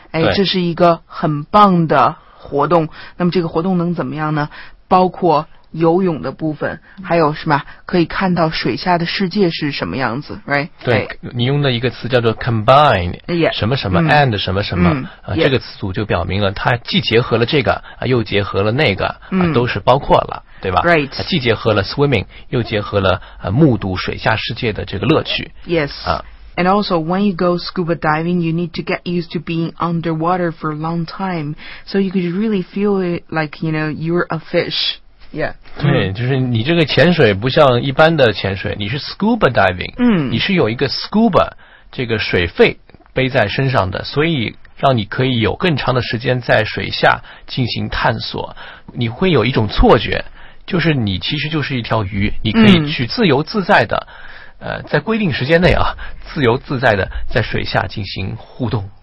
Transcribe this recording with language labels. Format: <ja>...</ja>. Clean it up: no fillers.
<zh>哎，这是一个很棒的活动那么这个活动能怎么样呢包括游泳的部分还有什么可以看到水下的世界是什么样子 right 对、哎、你用的一个词叫做 combine</zh> <en>yeah,</en> <zh>什么什么、and 什么什么、</zh> <en>yeah.</en> <zh>这个词组就表明了它既结合了这个、又结合了那个、都是包括了对吧</zh> <en>right、</en> <zh>既结合了 swimming 又结合了、目睹水下世界的这个乐趣</zh> <en>yes、And also, when you go scuba diving, you need to get used to being underwater for a long time so you could really feel it like you know, you're a fishYeah.</en> <zh>对就是你这个潜水不像一般的潜水你是 scuba diving、你是有一个 scuba 这个水肺背在身上的所以让你可以有更长的时间在水下进行探索你会有一种错觉就是你其实就是一条鱼你可以去自由自在的、在规定时间内啊自由自在的在水下进行互动</zh>